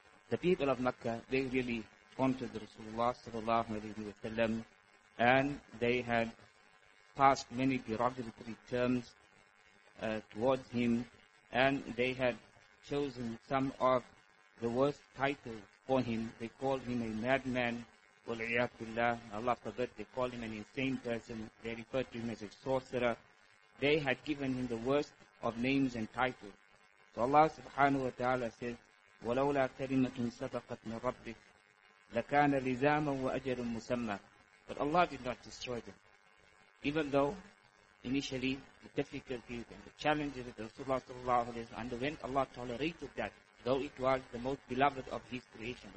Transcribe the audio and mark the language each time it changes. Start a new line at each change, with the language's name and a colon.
English: The people of Mecca, they really wanted Rasulullah sallallahu alayhi wa sallam, and they had passed many derogatory terms towards him, and they had chosen some of the worst titles for him. They called him a madman,
Arabic: وَلْعِيَاكُ اللَّهِ.
English: Allah forbid, they called him an insane person. They referred to him as a sorcerer. They had given him the worst of names and titles.
Arabic: So Allah subhanahu wa ta'ala says, وَلَوْلَا كَلِمَةٌ سَبَقَتْ مِنْ رَبِّكَ لَكَانَ لِزَامًا وَأَجَلٌ مُسَمَّى.
English: But Allah did not destroy them. Even though initially the difficulties and the challenges that Rasulullah sallallahu alayhi wa sallam underwent, Allah tolerated that, though it was the most beloved of his creation.